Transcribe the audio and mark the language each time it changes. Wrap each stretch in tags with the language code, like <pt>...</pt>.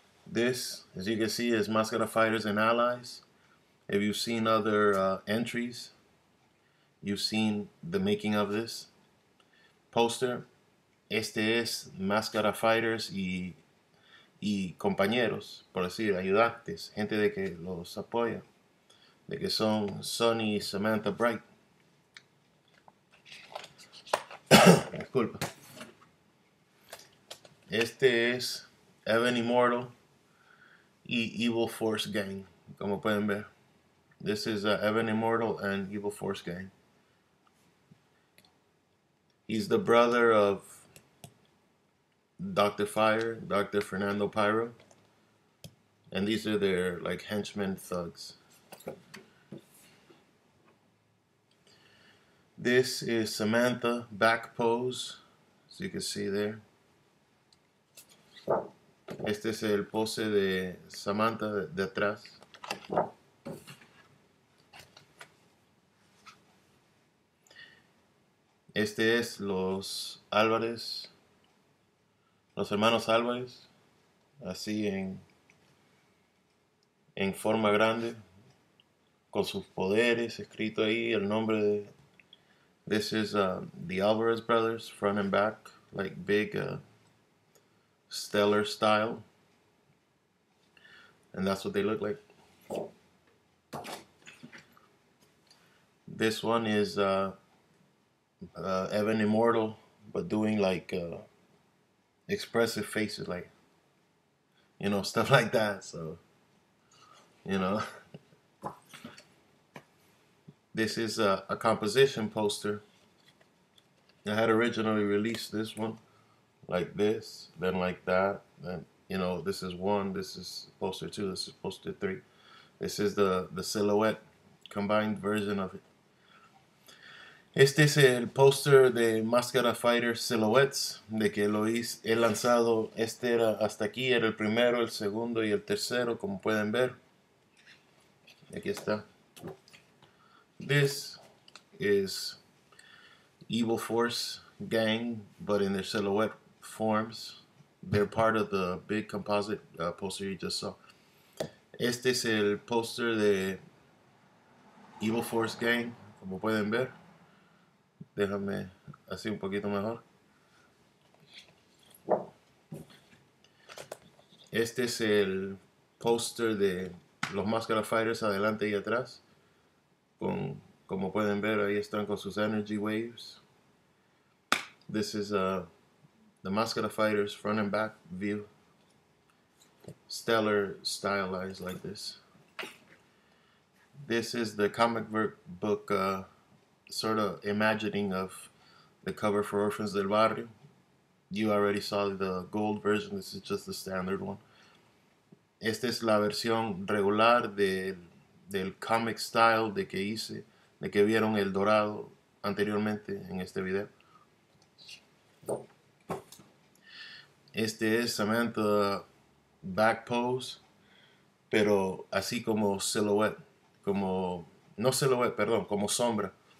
<en>This, as you can see, is Mascara Fighters and Allies. If you've seen other entries, you've seen the making of this poster.</en> <es>Este es Mascara Fighters y compañeros, por decir, ayudantes, gente de que los apoya, de que son Sonny y Samantha Bright. Disculpa. Este es Evan Immortal y Evil Force Gang, como pueden ver.</es> <en>This is Evan Immortal and Evil Force Gang. He's the brother of Dr. Fire, Dr. Fernando Pyro. And these are their, like, henchmen thugs. This is Samantha, back pose, as you can see there.</en> <es>Este es el pose de Samantha de atrás. Este es los Álvarez, los hermanos Álvarez, así en forma grande, con sus poderes escrito ahí, el nombre de...</es> <en>This is the Álvarez brothers, front and back, like big... stellar style, and that's what they look like. This one is Evan Immortal, but doing like expressive faces, like, you know, stuff like that. So, you know, this is a composition poster. I had originally released this one. Like this, then like that, then, you know, this is one, this is poster two, this is poster three. This is the silhouette combined version of it.</en> <es>Este es el poster de Mascara Fighter Silhouettes, de que lo he lanzado. Este era hasta aquí, era el primero, el segundo y el tercero, como pueden ver. Aquí está.</es> <en>This is Evil Force Gang, but in their silhouette forms. They're part of the big composite poster you just saw.</en> <es>Este es el poster de Evil Force Gang, como pueden ver. Déjame así un poquito mejor. Este es el poster de los Mascara Fighters adelante y atrás. Con, como pueden ver, ahí están con sus</es> <en>energy waves. This is a The Mascara Fighters front and back view. Stellar stylized like this. This is the comic book sort of imagining of the cover for Orphans del Barrio. You already saw the gold version. This is just the standard one.</en> <es>Esta es la versión regular del comic style de que hice, de que vieron el dorado anteriormente en este video. Este es Samantha</es> <en>back pose,</en> <es>pero así como silhouette, como no silhouette, perdón, como sombra.</es>